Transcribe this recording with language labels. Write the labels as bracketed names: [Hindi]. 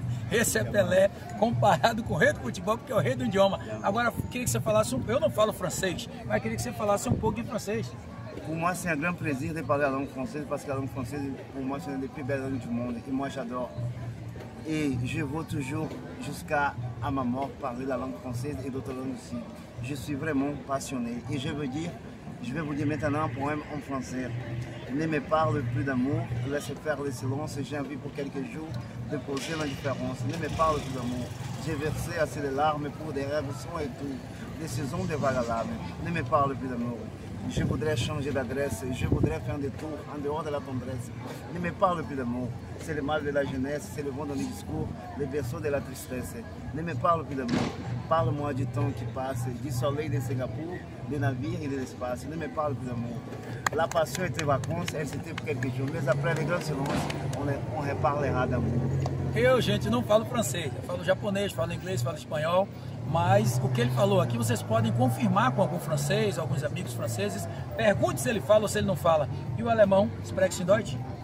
[Portuguese] Esse é Pelé comparado com o rei do futebol, porque é o rei do idioma. Yeah. Agora, queria que você falasse um pouco. Eu não falo francês, mas queria que você falasse um pouco em francês. Como assim, a grande plaisir de falar em francês, porque é um francês, como assim, é o mais belo do mundo, que eu adoro. [French] E je vou toujours jusqu'à à ma mort parler la langue française et d'autres langues aussi. Je suis vraiment passionné. Et je vais vous dire maintenant un poème en français. Ne me parle plus d'amour, laisse faire le silence. J'ai envie pour quelques jours de poser l'indifférence. Ne me parle plus d'amour. J'ai versé assez de larmes pour des rêves sans étude. Des saisons de vagues à l'âme. Ne me parle plus d'amour. Je voudrais changer d'adresse, je voudrais faire un détour en dehors de la tendresse. Ne me parle plus d'amour, c'est le mal de la jeunesse, c'est le vent dans les discours, le berceau de la tristesse. Ne me parle plus d'amour, parle-moi du temps qui passe, du soleil de Singapour, des navires et de l'espace. Ne me parle plus d'amour. La passion était vacances, elle s'était pour quelques jours, mais après les grandes silences, on reparlera d'amour. [Portuguese] Eu, gente, não falo francês, eu falo japonês, falo inglês, falo espanhol. Mas o que ele falou aqui, vocês podem confirmar com algum francês, alguns amigos franceses. Pergunte se ele fala ou se ele não fala. E o alemão, [German] sprechen Deutsch?